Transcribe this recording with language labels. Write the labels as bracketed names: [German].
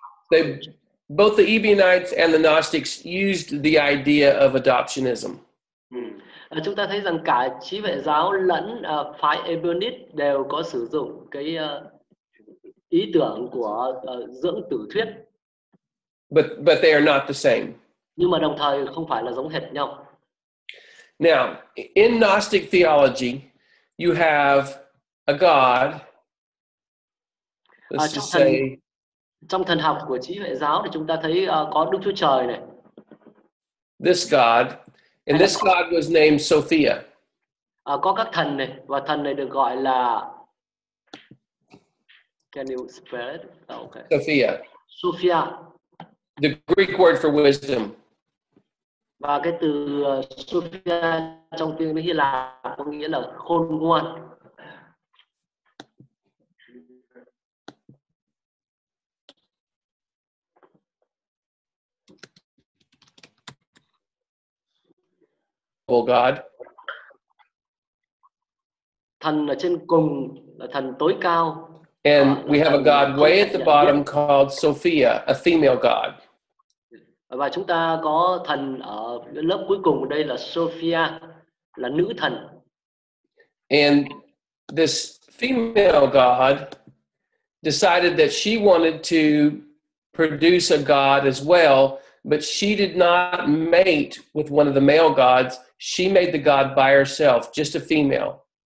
[English] They both the Ebionites and the Gnostics used the idea of adoptionism. [Vietnamese] Chúng ta thấy rằng cả trí hệ giáo lẫn phái Ebionite đều có sử dụng cái ý tưởng của dưỡng tử thuyết. [English] But they are not the same. [Vietnamese] Nhưng mà đồng thời không phải là giống hệt nhau. [English] Now, in Gnostic theology, you have a god. Let's just say. [Vietnamese] Trong thần học của trí hệ giáo thì chúng ta thấy có Đức Chúa Trời này. [English] This god, and this god was named Sophia. [Vietnamese] Có các thần này, và thần này được gọi là. [English] Can you spell it? Okay. Sophia. Sophia. The Greek word for wisdom. [Vietnamese] Và cái từ Sophia trong tiếng Hy Lạp có nghĩa là khôn ngoan. [English] Oh God. [Vietnamese] Thần ở trên cùng là thần tối cao. [English] And we have a god way at the bottom called Sophia, a female god. [Vietnamese] Và chúng ta có thần ở lớp cuối cùng đây là Sophia, là nữ thần. [English] And this female god decided that she wanted to produce a god as well, but she did not mate with one of the male gods. She made the god by herself, just a female.